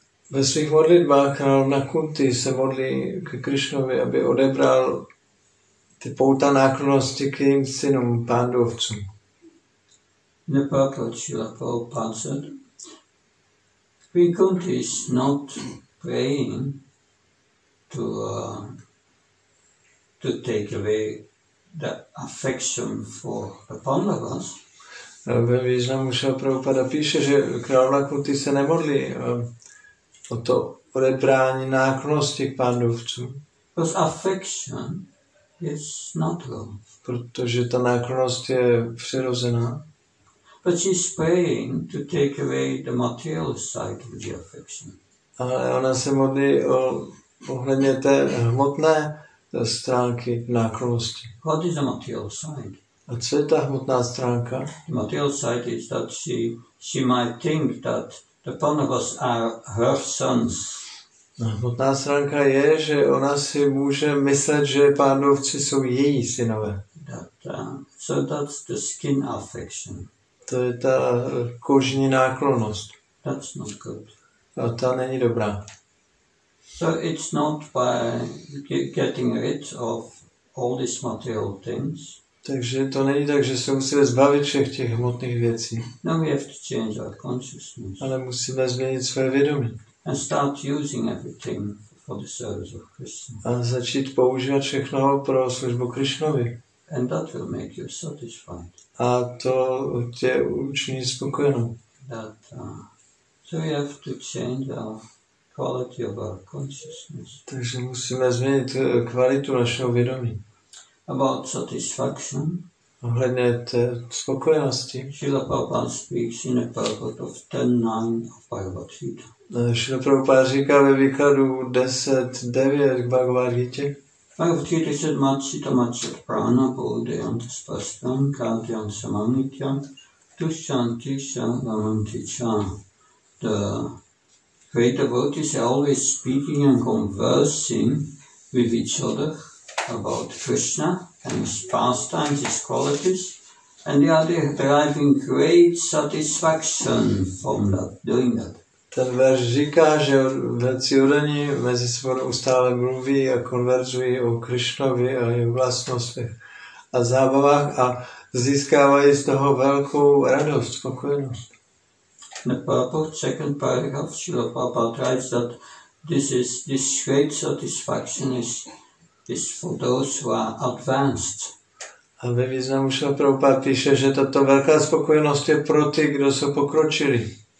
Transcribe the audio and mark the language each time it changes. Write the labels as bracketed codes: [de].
[cs] Ve svých modlitbách královna Kunti se modlí k Krišnovi, aby odebral ty pouta náklonosti k jejím synům, Pandovcům. [en] Neprakročila Prabhupada said, Queen Kunti is not praying to take away the affection for the Pandavas. [cs] Ve významu Šila Prabhupada píše, že královna Kunti se nemodlí o to odebrání náklonosti k pandovcům. [en] Because affection is not love. [cs] Protože ta náklonost je přirozená. [en] But she's praying to take away the material side of the affection. [cs] Ale ona se modlí ohledně té hmotné stránky náklonosti. [en] What is the material side? [cs] A co je ta hmotná stránka? [en] The material side is that she might think that the Pandavas are her sons. [cs] Hmotná stránka je, že ona si může myslet, že Pandavci jsou její synové. [en] So that's the skin affection. [cs] To je ta kožní náklonnost. [en] That's not good. [cs] A ta není dobrá. [en] So it's not by getting rid of all these material things. [cs] Takže to není tak, že se musíme zbavit všech těch hmotných věcí. [en] No, we have to change our consciousness. [cs] Ale musíme změnit své vědomí. [en] And start using everything for the service of Krishna. [cs] A začít používat všechno pro službu Krishnovi. [en] And that will make you satisfied. [cs] A to tě učiní spokojenou. [en] That, so we have to change our quality of our consciousness. [cs] Takže musíme změnit kvalitu našeho vědomí. [en] About satisfaction. [cs] Ohledně té spokojenosti. [en] Srila Prabhupada speaks in a purport of 10.9 of Bhagavad Gita. [cs] Srila Prabhupada říká ve výkladu 10.9 k Bhagavad Gita. [en] Bhagavad Gita said, [sa] Matsita Matsit Prana Bodhyam Tispastam Kadyam Samamityam Tushyam Tishyam Vamantichyam. [en] The great devotees are always speaking and conversing with each other about Krishna and his pastimes, his qualities, and they are deriving great satisfaction from that, doing that. [cs] Ten verš říká, že vědci udaní mezi sebou ustále mluví a konverzují o Krišnovi a jeho vlastnostech a zábavách a získávají z toho velkou radost, spokojenost. [en] The purport, second paragraph, Srila Prabhupada writes that this great satisfaction is for those who are advanced. [cs] A ve významu Šila Prabhupada píše, že tato velká spokojenost je pro ty, kdo jsou pokročili.